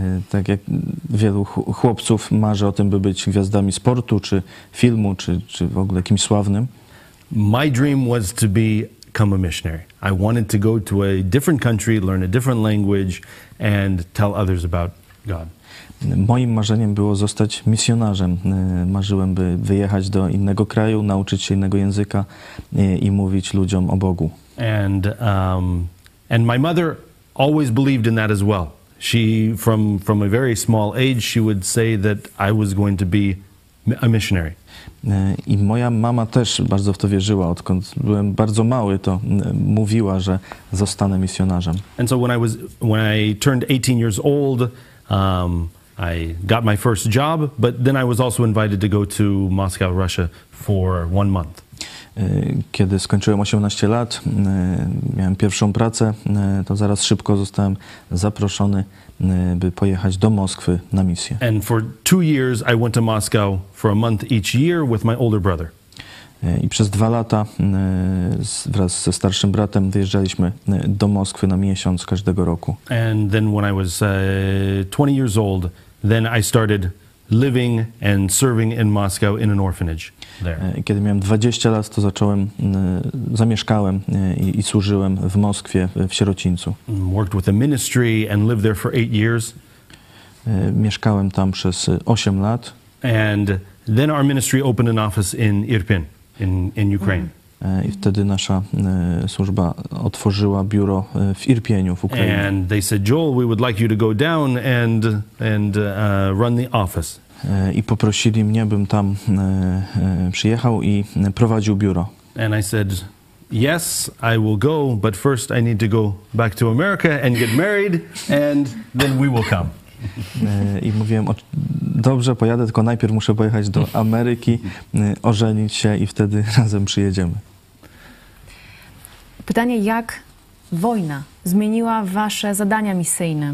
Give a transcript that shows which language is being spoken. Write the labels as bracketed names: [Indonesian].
[Polish] Tak jak wielu chłopców marzy o tym, by być gwiazdami sportu czy filmu, czy w ogóle kimś sławnym. [English] My dream was to become a missionary. I wanted to go to a different country, learn a different language and tell others about God. [Polish] Moim marzeniem było zostać misjonarzem. Marzyłem, by wyjechać do innego kraju, nauczyć się innego języka i mówić ludziom o Bogu. [English] And and my mother always believed in that as well. She from a very small age she would say that I was going to be a missionary. [Polish] I moja mama też bardzo w to wierzyła, odkąd byłem bardzo mały, to mówiła, że zostanę misjonarzem. [English] And so when I turned 18 years old, I got my first job, but then I was also invited to go to Moscow, Russia for 1 month. [Polish] Kiedy skończyłem 18 lat, miałem pierwszą pracę, to zaraz szybko zostałem zaproszony, by pojechać do Moskwy na misję. [English] And for 2 years I went to Moscow for a month each year with my older brother. [Polish] I przez 2 lata wraz ze starszym bratem wyjeżdżaliśmy do Moskwy na miesiąc każdego roku. [English] And then when I was 20 years old, then I started living and serving in Moscow in an orphanage there. [Polish] Kiedy miałem 20 lat, to zacząłem, zamieszkałem i służyłem w Moskwie w sierocińcu. [English] Worked with a ministry and lived there for 8 years. [Polish] Mieszkałem tam przez 8 lat. [English] And then our ministry opened an office in Irpin. In Ukraine. [Polish] I wtedy nasza służba otworzyła biuro w Irpieniu, w Ukrainie. [English] And they said, Joel, we would like you to go down and run the office. [Polish] I poprosili mnie, bym tam przyjechał i prowadził biuro. [English] And I said, yes, I will go, but first I need to go back to America and get married, and then we will come. [Polish] I mówiłem, dobrze, pojadę, tylko najpierw muszę pojechać do Ameryki, ożenić się i wtedy razem przyjedziemy. Pytanie, jak wojna zmieniła wasze zadania misyjne?